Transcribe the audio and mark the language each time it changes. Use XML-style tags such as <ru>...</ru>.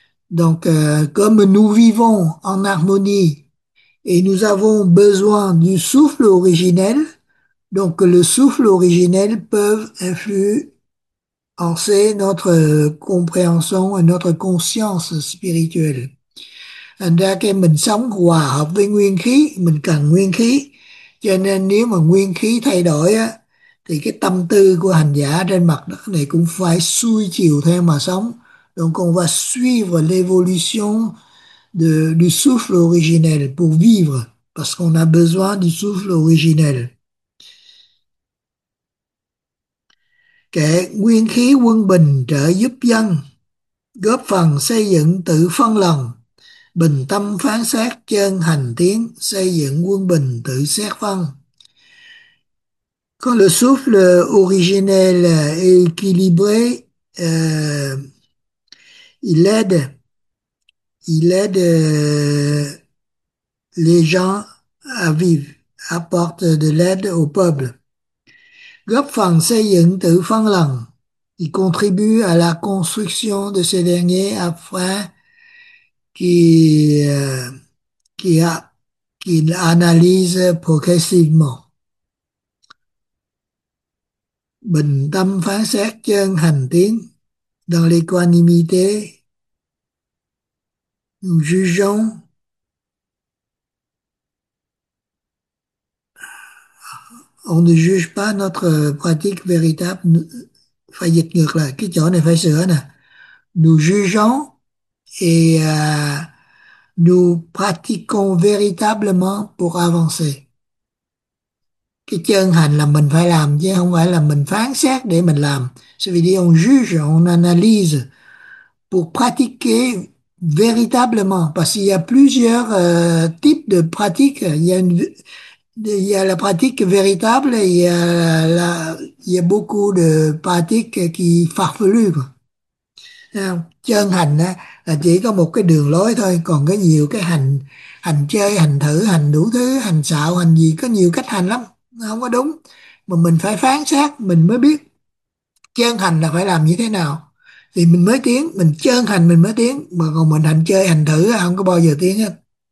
<fr>Donc, comme nous vivons en harmonie et nous avons besoin du souffle originel, donc le souffle originel peut influencer notre compréhension et notre conscience spirituelle.</fr> <vi>Thành ra cái mình sống hòa hợp với nguyên khí, mình cần nguyên khí. Cho nên nếu mà nguyên khí thay đổi á, thì cái tâm tư của hành giả trên mặt đất này cũng phải xuôi chiều theo mà sống.</vi> <fr>Donc on va suivre l'évolution du souffle originel pour vivre, parce qu'on a besoin du souffle originel.</fr> <vi>Kể nguyên khí quân bình trợ giúp dân, góp phần xây dựng tự phân lòng, bình tâm phán xét chân hành tiến, xây dựng quân bình tự xét phân.</vi> <fr>Quand le souffle originel est équilibré, il aide les gens à vivre, apporte de l'aide au peuple.</fr> <vi>Góp phần xây dựng tự phân lòng,</vi> <fr>il contribue à la construction de ces derniers afin qu'il analyse progressivement.</fr> <vi>Bình tâm phán xét chân hành tiến,</vi> <fr>dans l'équanimité, nous jugeons on ne juge pas notre pratique véritable,</fr> <vi>phải dịch ngược lại, cái chỗ này phải sửa nè.</vi> <fr>Nous jugeons et nous pratiquons véritablement pour avancer.</fr> <vi>Cái chân hành là mình phải làm, chứ không phải là mình phán xét để mình làm.</vi> <fr>Ça veut dire on juge, on analyse pour pratiquer véritablement. Parce qu'il y a plusieurs types de pratiques. Il y a la pratique véritable, et il y a beaucoup de pratiques qui farfelues.</fr> <vi>Chân hành là chỉ có một cái đường lối thôi, còn có nhiều cái hành, hành chơi, hành thử, hành đủ thứ, hành xạo, hành gì, có nhiều cách hành lắm, không có đúng. mà mình phải phán xét, mình mới biết chân hành là phải làm như thế nào thì mình mới tiến, mình chân hành mình mới tiến, mà còn mình hành chơi hành thử không có bao giờ tiến hết.</vi>